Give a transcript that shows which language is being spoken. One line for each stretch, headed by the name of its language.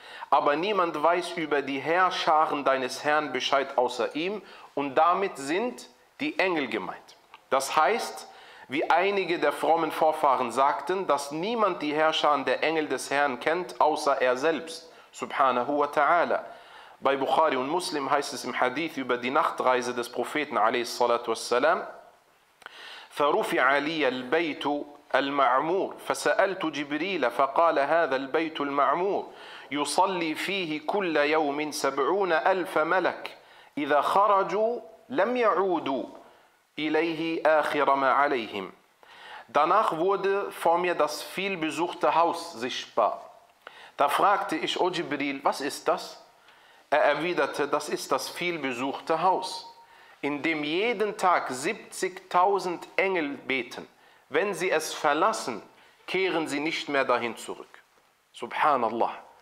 German: Aber niemand weiß über die Heerscharen deines Herrn Bescheid außer ihm. Und damit sind die Engel gemeint. Das heißt, wie einige der frommen Vorfahren sagten, dass niemand die Heerscharen der Engel des Herrn kennt, außer er selbst. Subhanahu wa ta'ala. Bei Bukhari und Muslim heißt es im Hadith über die Nachtreise des Propheten
Arabic: alayhi salatu wassalam, فَرُفِعَ عَلِيَ الْبَيْتُ الْمَعْمُورُ فَسَأَلْتُ جِبْرِيلَ فَقَالَ هَذَا الْبَيْتُ الْمَعْمُورُ يُصَلِّي فِيهِ كُلَّ يَوْمٍ 70,000 مَلَكٍ إِذَا خَرَجُوا لَمْ يَعُودُوا إِلَيْهِ آخِرَ مَا عَلَيْهِمْ.
German: Danach wurde vor mir das vielbesuchte Haus sichtbar. Da fragte ich, O Jibril, was ist das? Er erwiderte, das ist das vielbesuchte Haus, in dem jeden Tag 70.000 Engel beten. Wenn sie es verlassen, kehren sie nicht mehr dahin zurück. Subhanallah.